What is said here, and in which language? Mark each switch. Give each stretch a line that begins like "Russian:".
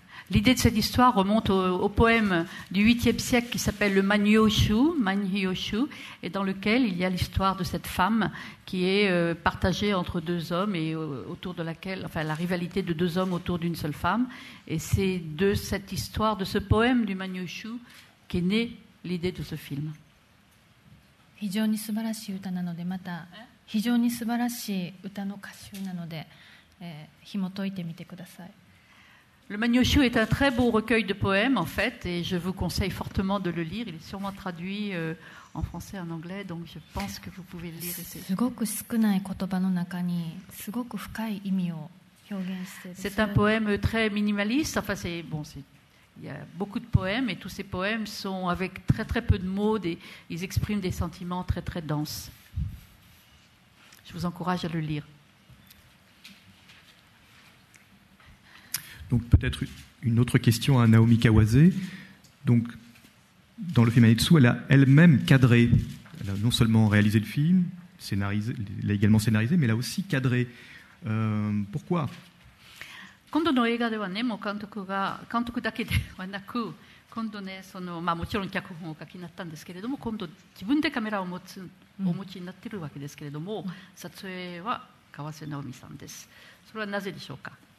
French: L'idée de cette histoire remonte au poème du 8e siècle qui s'appelle le Manhyoshu, et dans lequel il y a l'histoire de cette femme qui est partagée entre deux hommes et autour de laquelle, enfin, la rivalité de deux hommes autour d'une seule femme. Et c'est de cette histoire, de ce poème du Manhyoshu, qu'est née l'idée de ce film.
Japanese: 非常に素晴らしい歌なので、また非常に素晴らしい歌の歌集なので、紐解いてみてください。
French: Le Manhyoshu est un très beau recueil de poèmes, en fait, et je vous conseille fortement de le lire. Il est sûrement traduit en français, en anglais, donc je pense que vous pouvez le lire.
Japanese: すごく少ない言葉の中にすごく深い意味を表現している。
French: C'est un poème très minimaliste. Enfin, c'est bon, c'est... Il y a beaucoup de poèmes et tous ces poèmes sont avec très très peu de mots et ils expriment des sentiments très très denses. Je vous encourage à le lire. Donc peut-être une autre question à Naomi Kawase. Donc dans le film Anetsu, elle a elle-même cadré. Elle a non seulement réalisé le film, l'a également scénarisé, mais elle a aussi cadré. Pourquoi ?
Japanese: 今度の映画ではね、もう監督だけではなく、今度ね、その、まあ、もちろん脚本を書きになったんですけれども、今度自分でカメラを持つ、お持ちになっているわけですけれども、撮影は川瀬直美さんです。それはなぜでしょうか。